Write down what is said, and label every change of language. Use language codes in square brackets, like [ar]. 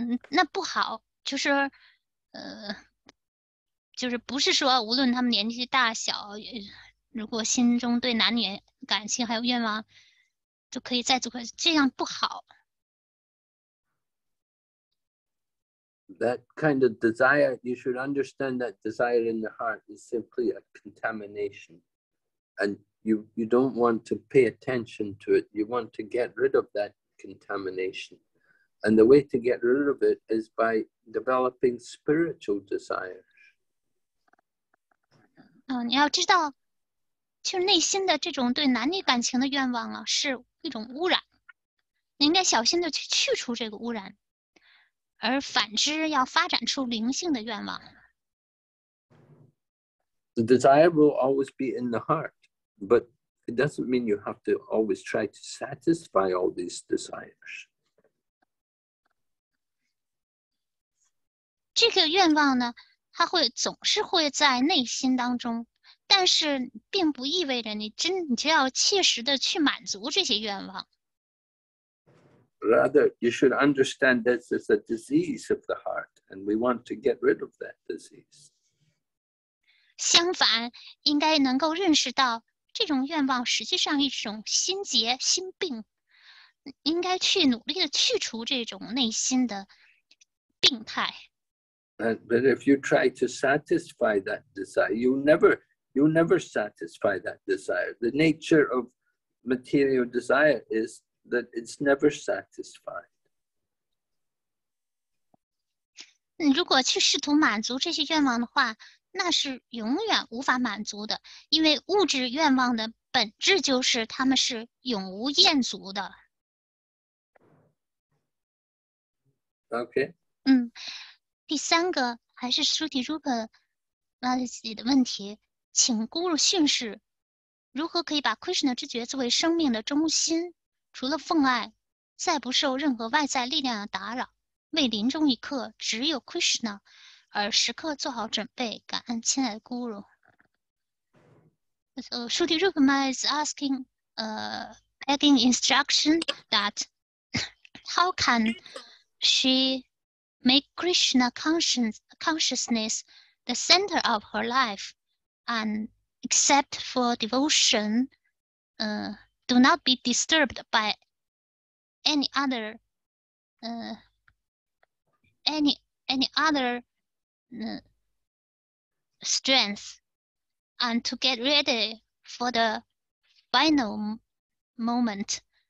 [zh] 那不好，就是不是说无论他们年纪大小，如果心中对男女感情还有愿望，就可以再做，这样不好。 [en] That kind of desire, you should understand that desire in the heart is simply a contamination. And you don't want to pay attention to it. You want to get rid of that. Contamination. And the way to get rid of it is by developing spiritual desires. [zh] 你要知道，就是内心的这种对男女感情的愿望啊，是一种污染。你应该小心的去去除这个污染，而反之要发展出灵性的愿望。 [en] The desire will always be in the heart, but. It doesn't mean you have to always try to satisfy all these desires. [zh] 这个愿望呢，它会总是会在内心当中，但是并不意味着你就要切实的去满足这些愿望。 [en] Rather, you should understand this is a disease of the heart, and we want to get rid of that disease. [zh] 相反，应该能够认识到。这种愿望实际上是一种心结、心病，应该去努力的去除这种内心的病态。 [en] But if you try to satisfy that desire, you'll never satisfy that desire. The nature of material desire is that it's never satisfied. [zh] 如果去试图满足这些愿望的话。那是永远无法满足的，因为物质愿望的本质就是他们是永无厌足的。 [en] OK。 [zh] 第三个还是苏提朱克拉蒂斯的问题，请咕噜训示如何可以把 Krishna 之觉作为生命的中心，除了奉爱，再不受任何外在力量的打扰，为临终一刻只有 Krishna。而时刻做好准备，感恩亲爱的 Guru. [en] So, Shruti Rupama is asking, begging instruction that how can She made Krishna consciousness the center of her life, and except for devotion, do not be disturbed by any other strength, and to get ready for the final moment,